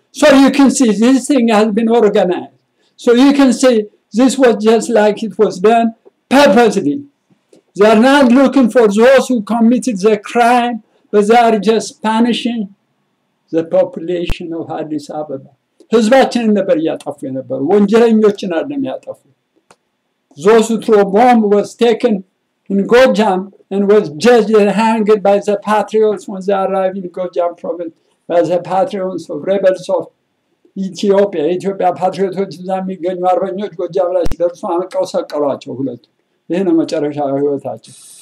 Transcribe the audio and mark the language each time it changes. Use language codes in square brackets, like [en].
[en] So you can see this thing has been organized. So you can say this was just like it was done purposely. They are not looking for those who committed the crime, but they are just punishing the population of Addis Ababa. [am] ህዝባችንን ነበር ያጠፉ የነበሩ ወንጀለኞችን አይደለም ያጠፉ. [en] Those who threw bomb was taken in Gojam and was judged and hanged by the patriots when they arrived in Gojam province by the patriots of rebels of [am] ኢትዮጵያ ኢትዮጵያ ፓትሪዮቶች ዛም ይገኙ አርበኞች ጎጃም ላይ ደርሶ አንቀው ሰቀሏቸው ሁለት ይሄ ነው መጨረሻው ህይወታቸው